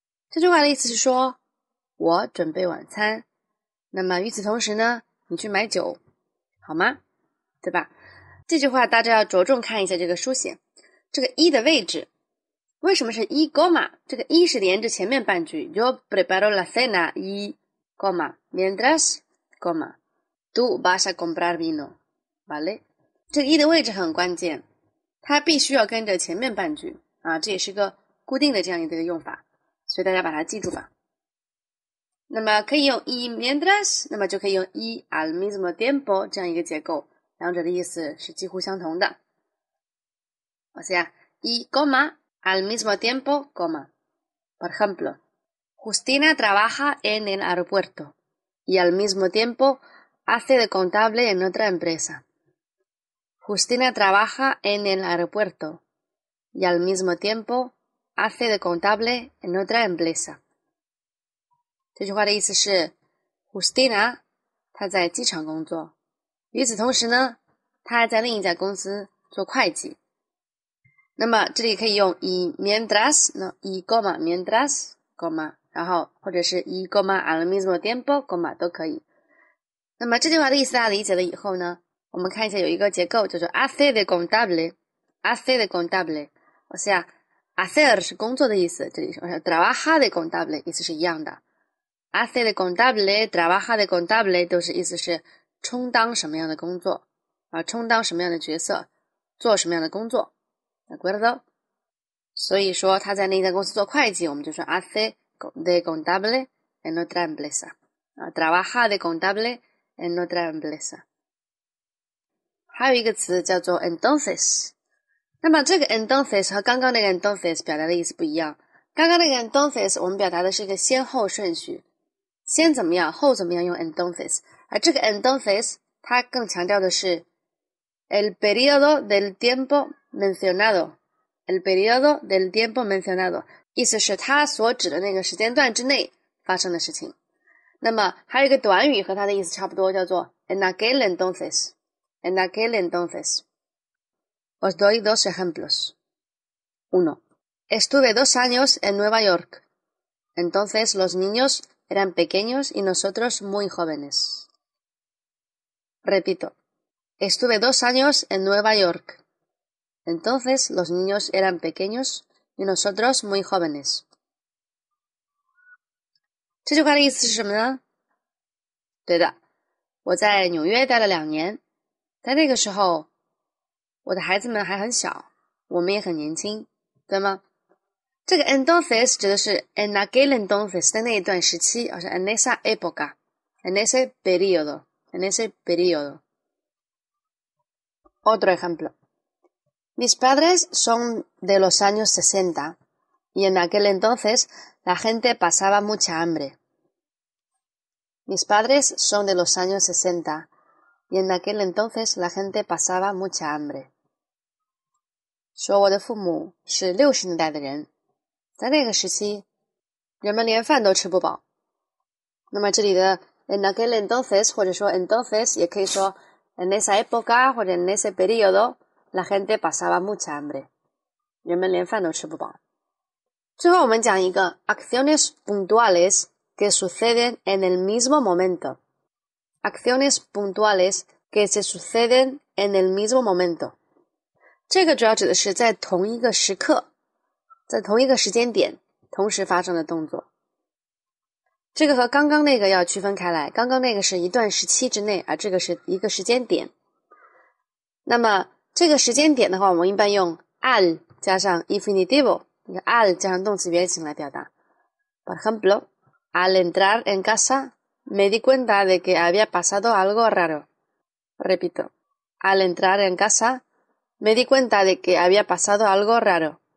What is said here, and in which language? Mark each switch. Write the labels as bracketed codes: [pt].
[zh] 这句话的意思是说，我准备晚餐，那么与此同时呢，你去买酒，好吗？对吧？这句话大家要着重看一下这个书写，这个一的位置。为什么是一 coma？ 这个一是连着前面半句。 [es] Yo preparo la cena y coma mientras coma tú vas a comprar vino， ¿vale？ [zh] 这个一的位置很关键，它必须要跟着前面半句啊，这也是个固定的这样一个用法，所以大家把它记住吧。那么可以用 [es] y mientras， [zh] 那么就可以用 [es] y al mismo tiempo [zh] 这样一个结构，两者的意思是几乎相同的。 [es] O sea, y coma al mismo tiempo coma. Por ejemplo, Justina trabaja en el aeropuerto y al mismo tiempo hace de contable en otra empresa. Justina trabaja en el aeropuerto y al mismo tiempo hace de contable en otra empresa. [zh] 这句话的意思是 Justina 她在机场工作，与此同时呢，她还在另一家公司做会计。那么这里可以用 y mientras， [es] y coma mientras coma， [zh] 然后或者是 [es] y coma al mismo tiempo coma [zh] 都可以。那么这句话的意思大家理解了以后呢，我们看一下有一个结构，就是 [es] hace de contable， hace de contable， [zh] o sea hacer 是工作的意思，这里是 [es] trabaja de contable， [zh] 意思是一样的。 [es] hace de contable， trabaja de contable [zh] 都是意思是充当什么样的工作啊，充当什么样的角色，做什么样的工作。 [es] acuerdo， [zh] 所以说他在那家公司做会计，我们就说 [es] hace de contable en otra empresa， trabaja de contable en otra empresa。 [zh] 还有一个词叫做 entonces， 那么这个 entonces 和刚刚那个 entonces 表达的意思不一样。刚刚那个 entonces 我们表达的是一个先后顺序，先怎么样后怎么样用 entonces， 而这个 entonces 它更强调的是 [es] el periodo del tiempo mencionado， [zh] el periodo del tiempo mencionado， 意思是它所指的那个时间段之内发生的事情。那么还有一个短语和它的意思差不多，叫做 [es] en aquel entonces， en aquel entonces。 Os doy dos ejemplos。 Uno， estuve dos años en Nueva York， entonces los niños eran pequeños y nosotros muy jóvenes。 Repito，Estuve dos años en Nueva York. Entonces los niños eran pequeños y nosotros muy jóvenes. [zh] 这句话的意思是什么呢？对的，我在纽约待了两年，在那个时候，我的孩子们还很小，我们也很年轻，对吗？这个 entonces 指的是 [es] en aquel entonces [zh] 的那一段时期，而是 [es] en esa época， en ese periodo， [zh] en ese periodo。 [es] Otro ejemplo. Mis padres son de los años 60 y en aquel entonces la gente pasaba mucha hambre. Mis padres son de los años 60 y en aquel entonces la gente pasaba mucha hambre. [zh] 说我的父母是60年代的人，在那个时期人们连饭都吃不饱。那么这里的 [es] en aquel entonces [zh] 或者说 [es] entonces [zh] 也可以说 [es] En esa época, 或者 en ese periodo, la gente pasaba mucha hambre. [zh] 人们连饭都吃不饱。 [es] 最后我们讲一个 acciones puntuales que suceden en el mismo momento. Acciones puntuales que se suceden en el mismo momento. [zh] 这个主要指的是在同一个时刻，在同一个时间点，同时发生的动作。这个和刚刚那个要区分开来，刚刚那个是一段时期之内，而这个是一个时间点。那么这个时间点的话，我们一般用 al 加上 infinitivo， al 加上动词原形来表达。 [es] Por ejemplo, al entrar en casa me di cuenta de que había pasado algo raro. Repito, al entrar en casa me di cuenta de que había pasado algo raro.